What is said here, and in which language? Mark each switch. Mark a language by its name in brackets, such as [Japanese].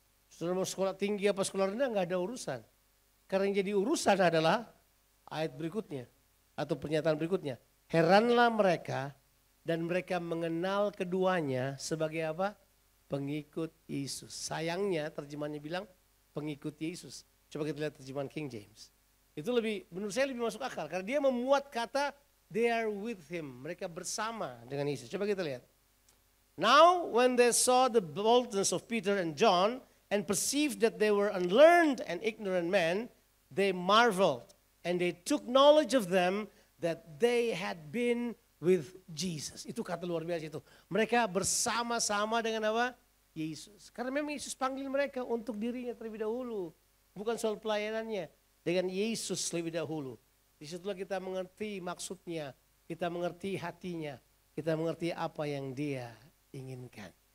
[Indonesian] Sudah mau sekolah tinggi apa sekolah rendah enggak ada urusan. Karena yang jadi urusan adalah ayat berikutnya atau pernyataan berikutnya. Heranlah mereka dan mereka mengenal keduanya sebagai apa? Pengikut Yesus. Sayangnya terjemahannya bilang pengikut Yesus. Coba kita lihat terjemahan King James. Itu lebih, menurut saya lebih masuk akal. Karena dia memuat kata [English] they are with him. [Indonesian] Mereka bersama dengan Yesus. Coba kita lihat. [English] Now when they saw the boldness of Peter and John and perceived that they were unlearned and ignorant men, they marveled and they took knowledge of them that they had been with Jesus. [Indonesian] Itu kata luar biasa itu. Mereka bersama-sama dengan apa? Yesus. Karena memang Yesus panggil mereka untuk dirinya terlebih dahulu. Bukan soal pelayanannya. Dengan Yesus terlebih dahulu. Disitulah kita mengerti maksudnya. Kita mengerti hatinya. Kita mengerti apa yang dia inginkan.